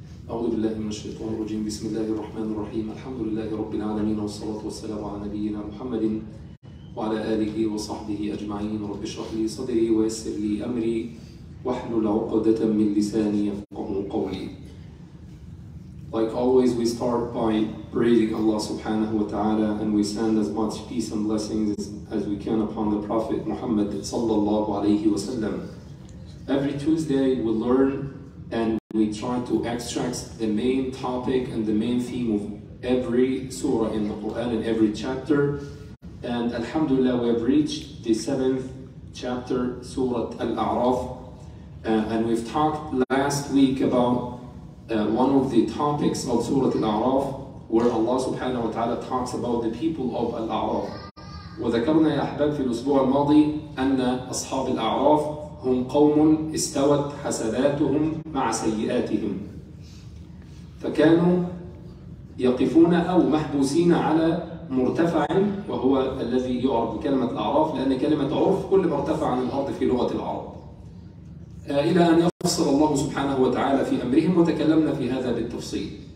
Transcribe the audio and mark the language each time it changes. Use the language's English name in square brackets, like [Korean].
[Arabic] أعوذ بالله من الشيطان الرجيم بسم الله الرحمن الرحيم الحمد لله رب العالمين والصلاة والسلام على نبينا محمد وعلى آله وصحبه أجمعين رب اشرح لي صدري ويسر لي أمري واحلل عقدة من لساني يفقهوا قولي. [English] Like always, we start by praising Allah subhanahu wa ta'ala, and we send as much peace and blessings as we can upon the Prophet Muhammad sallallahu alayhi wa sallam. Every Tuesday we learn and we try to extract the main topic and the main theme of every surah in the Quran and every chapter. And alhamdulillah, we have reached the seventh chapter, Surat Al-Alaaraf. And we've talked last week about one of the topics of Surat Al-Alaaraf, where Allah subhanahu wa ta'ala talks about the people of Al-Alaaraf. [Arabic] وَذَكَرْنَا يَا أَحْبَابِ فِي الْأُسْبُوعَ الْمَاضِي أَنَّ أَصْحَابِ الْأَعْرَافِ هُمْ قَوْمٌ إِسْتَوَتْ حَسَدَاتُهُمْ مَعَ سَيِّئَاتِهِمْ فَكَانُوا يَقِفُونَ أَوْ مَحْبُوسِينَ عَلَى مُرْتَفَعٍ وَهُوَ الَّذِي يُعْرَبُ بكلمة الْأَعْرَافِ لأن كلمة عُرْف كل مرتفع عن الأرض في لغة العرب إلى أن يفصل الله سبحانه وتعالى في أمرهم وتكلمنا في هذا بالتفصيل.